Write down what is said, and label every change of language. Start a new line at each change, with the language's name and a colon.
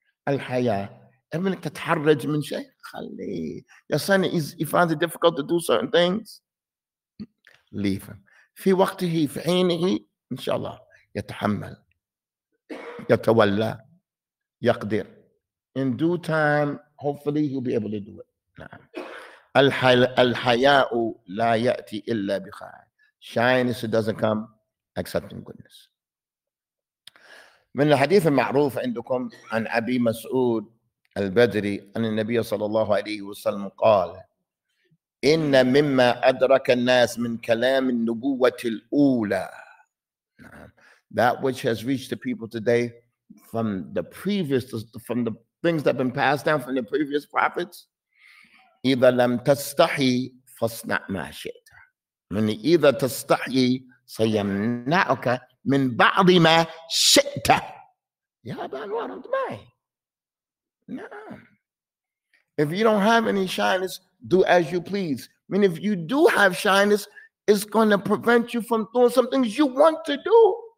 Arabic: الحياة ابن تتحرج من شيء خليه.
English: Your son, he finds it difficult to do certain things. Leave him.
Arabic: في وقته في حينه إن شاء الله يتحمل يتولى يقدر.
English: In due time, hopefully he'll be able to do it.
Arabic: نعم. الحياء لا يأتي إلا بخير.
English: Shyness doesn't come except in goodness.
Arabic: من الحديث المعروف عندكم عن أبي مسعود البدري أن النبي صلى الله عليه وسلم قال إن مما أدرك الناس من كلام النبوة الأولى.
English: That which has reached the people today from the previous, from the things that have been passed down from the previous prophets.
Arabic: إذا لم تستحي فاصنع ما شئت. من إذا تستحي سيمنعك من بعض ما شئت. يا بانوار انت معي.
English: If you don't have any shyness, do as you please. I mean, if you do have shyness, it's going to prevent you from doing some things you want to do.